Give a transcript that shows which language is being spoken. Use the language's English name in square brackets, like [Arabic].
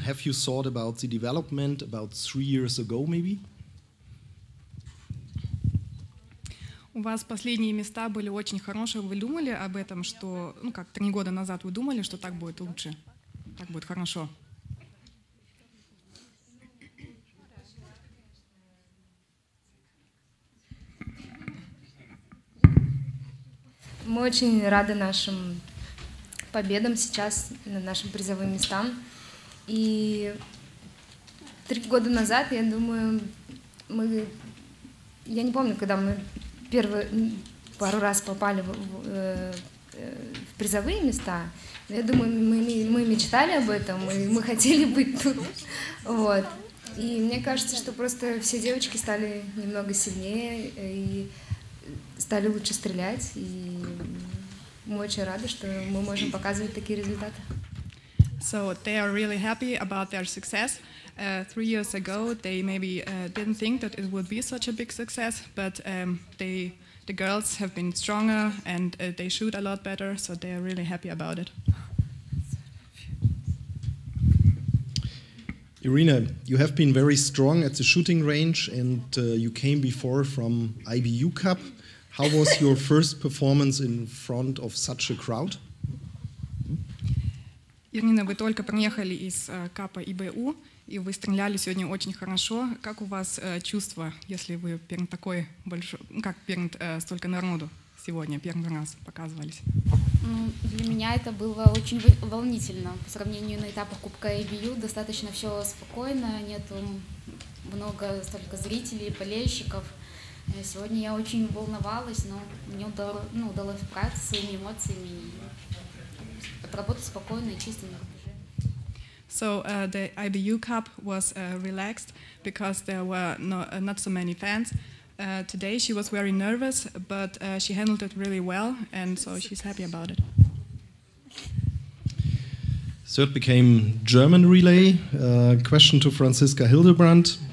[English] Have you thought about the development about 3 years ago, maybe? [Russian] У вас последние места были очень хорошие. Вы думали об этом, что, ну как, 3 года назад вы думали, что так будет лучше, так будет хорошо? Мы очень рады нашим победам сейчас на нашим призовым местам. И 3 года назад, я думаю, я не помню, когда мы пару раз попали в призовые места. Я думаю, мы мечтали об этом, и мы хотели быть тут. Вот. И мне кажется, что просто все девочки стали немного сильнее и стали лучше стрелять. И мы очень рады, что мы можем показывать такие результаты. [English] So they are really happy about their success. 3 years ago, they maybe didn't think that it would be such a big success, but the girls have been stronger and they shoot a lot better, so they are really happy about it. Irina, you have been very strong at the shooting range and you came before from IBU Cup. How was your first performance in front of such a crowd? [Russian] Ирина, вы только приехали из КАПа ИБУ, и вы стреляли сегодня очень хорошо. Как у вас чувства, если вы перед такой большой, как перед столько народу сегодня первый раз показывались? Ну, для меня это было очень волнительно. По сравнению на этапах Кубка ИБУ достаточно все спокойно, нету много столько зрителей, болельщиков. Сегодня я очень волновалась, но мне удалось справиться своими эмоциями. Работать спокойно и чистым. [English] So the IBU Cup was relaxed because there were not so many fans. Today she was very nervous, but she handled it really well, and so she's happy about it. So it became German relay. Question to Franziska Hildebrandt.